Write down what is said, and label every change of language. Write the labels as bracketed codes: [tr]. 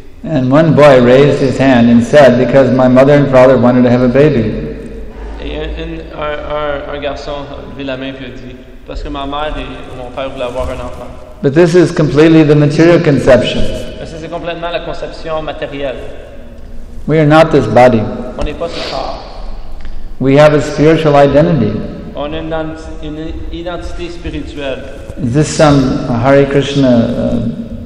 [en] And one boy raised his hand and said, because my mother and father wanted to have a baby. [fr] Et un garçon a levé la main puis a dit, parce que ma mère et mon père voulaient avoir un enfant. [en] But this is completely the material conception. [fr] Mais c'est complètement la conception matérielle. [en] We are not this body. [fr] On n'est pas ce corps. [en] We have a spiritual identity. [fr] On a une identité spirituelle. [en] Is this some Hare Krishna...